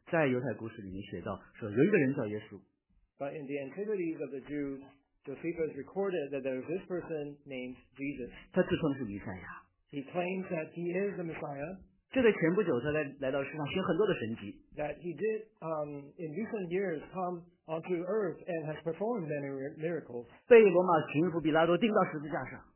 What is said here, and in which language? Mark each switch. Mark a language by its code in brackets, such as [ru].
[zh] 但是这个人老老实实的在犹太故事里面写到说有一个人叫耶稣。 [en] But in the Antiquities of the Jews, Josephus recorded that there is this person named Jesus. [zh] 他自称是弥赛亚。 [en] He claims that he is the Messiah. [zh] 就在前不久他来到世上学很多的神迹。 [en] That he did in recent years come onto earth and has performed many miracles. [zh] 被罗马巡抚比拉多钉到十字架上。